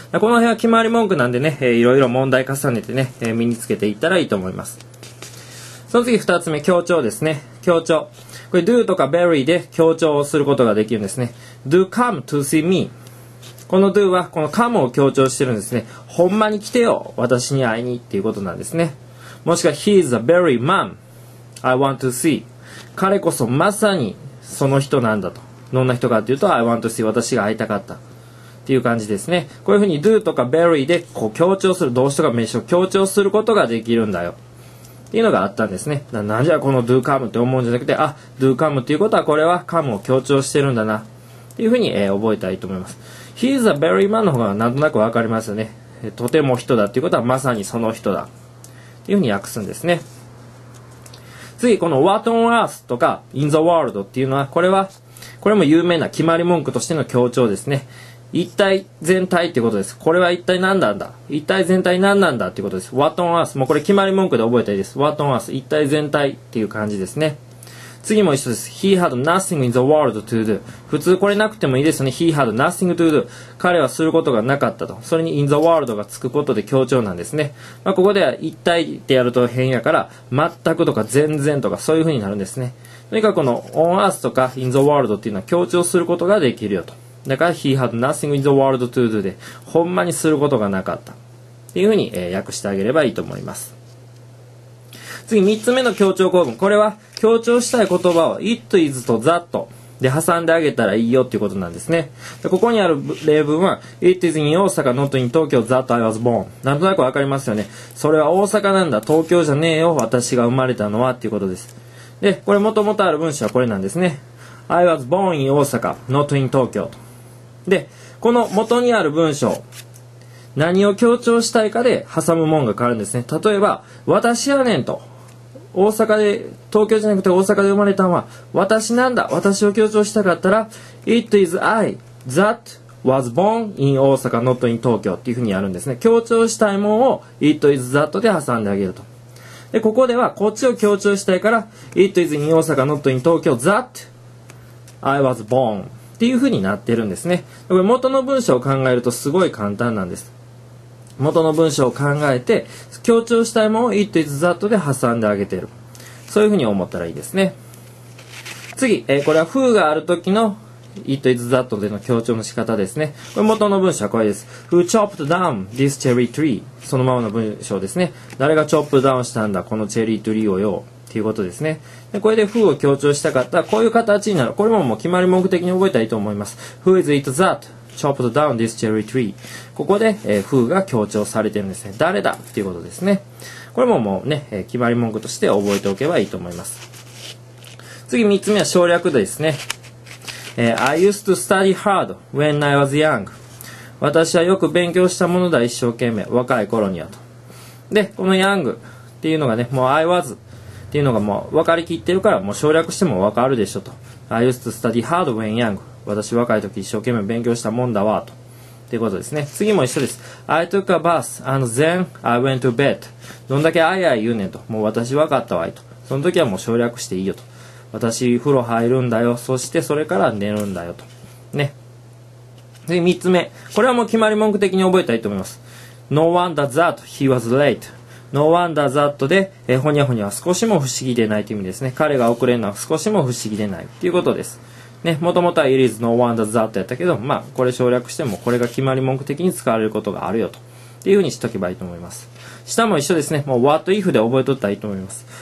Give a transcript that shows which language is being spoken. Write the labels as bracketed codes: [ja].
[ja] この辺は決まり文句なんでね、いろいろ問題重ねてね、身につけていったらいいと思います。その次2つ目、強調ですね。強調、これ Do とか Very で強調をすることができるんですね。 [en] Do come to see me。 [ja] この Do はこの Come を強調してるんですね。ほんまに来てよ、私に会いにっていうことなんですね。 [en] もしくは He is a very man I want to see。 [ja] 彼こそまさにその人なんだと。どんな人かっていうと [en] I want to see、 [ja] 私が会いたかったっていう感じですね。こういうふうに do とか very でこう強調する、動詞とか名詞を強調することができるんだよっていうのがあったんですね。なんじゃこの do come って思うんじゃなくて、あ、do come っていうことはこれは come を強調してるんだなっていうふうに、覚えたいと思います。 [en] He is a very man [ja] の方がなんとなくわかりますよね。とても人だっていうことはまさにその人だっていうふうに訳すんですね。次、この [en] What on Earth [ja] とか [en] In the World [ja] っていうのは、これも有名な決まり文句としての強調ですね。一体全体ってことです。これは一体何なんだ、一体全体何なんだってことです。 [en] What on Earth、 [ja] もうこれ決まり文句で覚えたいです。What on Earth、 一体全体っていう感じですね。次も一緒です。 [en] He had nothing in the world to do。 [ja] 普通これなくてもいいですよね。 [en] He had nothing to do、 [ja] 彼はすることがなかったと。それに [en] in the world [ja] がつくことで強調なんですね。まあ、ここでは一体ってやると変やから、全くとか全然とかそういう風になるんですね。とにかくこの [en] on earth [ja] とか [en] in the world [ja] っていうのは強調することができるよと。だから [en] He had nothing in the world to do [ja] で、ほんまにすることがなかったっていう風に、訳してあげればいいと思います。次、三つ目の強調公文。これは、強調したい言葉を、it is と that で挟んであげたらいいよっていうことなんですね。でここにある例文は、 [en] it is in 大阪、not in 東京、that I was born。 [ja] なんとなくわかりますよね。それは大阪なんだ、東京じゃねえよ、私が生まれたのはっていうことです。で、これ元々ある文章はこれなんですね。 [en] I was born in 大阪、not in 東京と。 [ja] で、この元にある文章、何を強調したいかで挟む文が変わるんですね。例えば、私やねんと。大阪で、東京じゃなくて大阪で生まれたのは私なんだ、私を強調したかったら [en] It is I that was born in 大阪 not in 東京 [ja] っていう風にやるんですね。強調したいものを it is that で挟んであげると。でここではこっちを強調したいから [en] it is in 大阪 not in 東京 that I was born [ja] っていう風になってるんですね。これ元の文章を考えるとすごい簡単なんです。元の文章を考えて強調したいものを it is that で挟んであげてる、そういう風に思ったらいいですね。次、これは風がある時の it is that での強調の仕方ですね。これ元の文章はこれです。 [en] Who chopped down this cherry tree? [ja] そのままの文章ですね。誰がチョップダウンしたんだこのチェリートリーをよ、っていうことですね。でこれで Who を強調したかったらこういう形になる。これももう決まり目的に覚えたらいいと思います。 [en] Who is it that chopped down this cherry tree? [ja] ここで、Who が強調されてるんですね。誰だっていうことですね。これももうね、決まり文句として覚えておけばいいと思います。次、三つ目は省略ですね。 [en] I used to study hard when I was young. [ja] 私はよく勉強したものだ、一生懸命。若い頃にはと。で、この young っていうのがね、もう I was っていうのがもう分かりきってるから、もう省略しても分かるでしょと。 [en] I used to study hard when young. [ja] 私若い時一生懸命勉強したもんだわ、と。っていうことですね。次も一緒です。 [en] I took a bus and then I went to bed. [ja] どんだけあいあい言うねんと。もう私分かったわいと。その時はもう省略していいよと。私風呂入るんだよ。そしてそれから寝るんだよと。ね。次三つ目。これはもう決まり文句的に覚えたいと思います。 [en] No wonder that he was late. No wonder that [ja] で、ほにゃほにゃは少しも不思議でないという意味ですね。彼が遅れるのは少しも不思議でないということです。ね、もともとは [en] It is no wonder that [ja] やったけど、まあ、これ省略しても、これが決まり文句的に使われることがあるよと。っていう風にしとけばいいと思います。下も一緒ですね。もう [en] What if [ja] で覚えとったらいいと思います。